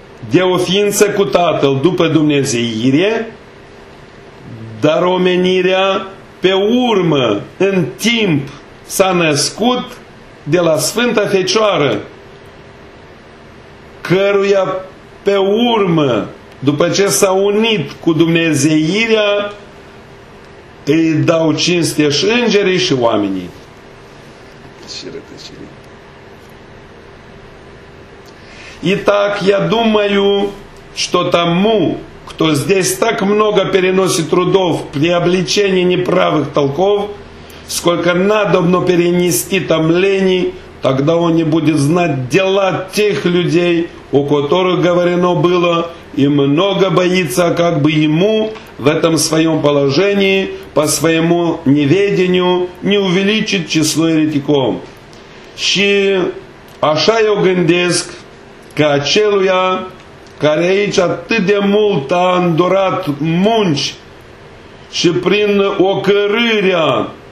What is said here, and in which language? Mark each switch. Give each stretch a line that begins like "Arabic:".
Romanian: de o ființă cu Tatăl după Dumnezeire, dar omenirea pe urmă, în timp, s-a născut de la Sfânta Fecioară, căruia pe urmă, după ce s-a unit cu Dumnezeirea, îi dau cinste și îngerii și oamenii. Și rătăcire.
Russian: И так я думаю, что тому, кто здесь так много переносит трудов при обличении неправых толков, сколько надобно перенести томлений, тогда он не будет знать дела тех людей, у которых говорено было, и много боится, как бы ему в этом своем положении по своему неведению не увеличить число еретиков.
Romanian: Și așa eu gândesc că aceluia care aici atât de mult a îndurat munci și prin ocărârea